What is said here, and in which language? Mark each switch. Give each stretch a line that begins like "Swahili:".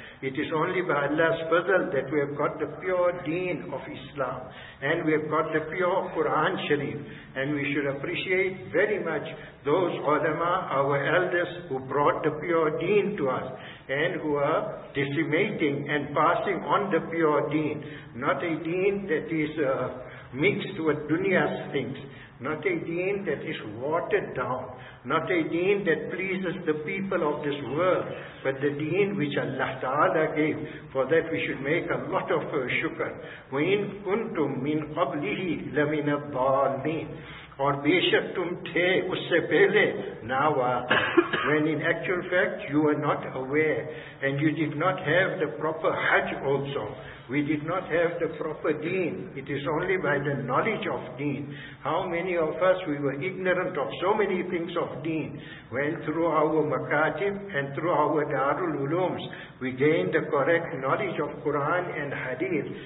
English: It is only by Allah's fadl that we have got the pure deen of Islam, and we have got the pure Quran Sharif, and we should appreciate very much those ulama, our elders, who brought the pure deen to us, and who are decimating and passing on the pure deen, not a deen that is mixed with dunya's things, not a deen that is watered down, not a deen that pleases the people of this world, but the deen which Allah Ta'ala gave. For that we should make a lot of shukr.
Arabic: وَإِن كُنْتُم مِّن قَبْلِهِ لَمِنَ الضَّالِّينَ
Urdu: اور بے شک تم تھے اس سے پہلے ناوا.
English: When in actual fact you were not aware and you did not have the proper hajj also. We did not have the proper deen. It is only by the knowledge of deen. How many of us, we were ignorant of so many things of deen. When through our makatib and through our darul ulums, we gained the correct knowledge of Quran and hadith.